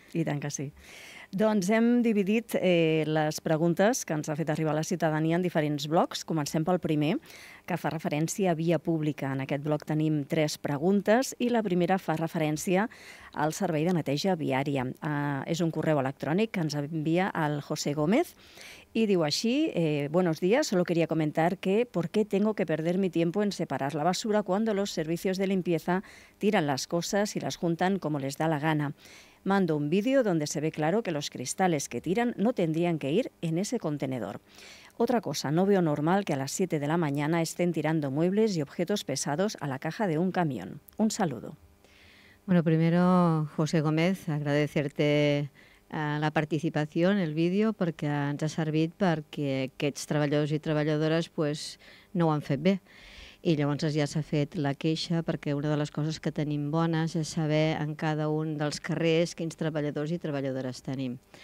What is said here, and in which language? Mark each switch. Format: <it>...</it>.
<ca>I tant que sí. Doncs hem dividit les preguntes que ens ha fet arribar la ciutadania en diferents blocs. Comencem pel primer, que fa referència a via pública. En aquest bloc tenim 3 preguntes i la primera fa referència al servei de neteja viària. És un correu electrònic que ens envia el José Gómez i diu així:</ca> <es>buenos días, solo quería comentar que ¿por qué tengo que perder mi tiempo en separar la basura cuando los servicios de limpieza tiran las cosas y las juntan como les da la gana? Mando un vídeo donde se ve claro que los cristales que tiran no tendrían que ir en ese contenedor. Otra cosa, no veo normal que a las 7 de la mañana estén tirando muebles y objetos pesados a la caja de un camión. Un saludo.</es> <ca>Bueno,</ca> <es>primero, José Gómez, agradecerte</es> <ca>la participació en el vídeo perquè ens ha servit perquè aquests treballadors i treballadores pues, no ho han fet bé. I llavors ja s'ha fet la queixa perquè una de les coses que tenim bones és saber en cada un dels carrers quins treballadors i treballadores tenim.</ca>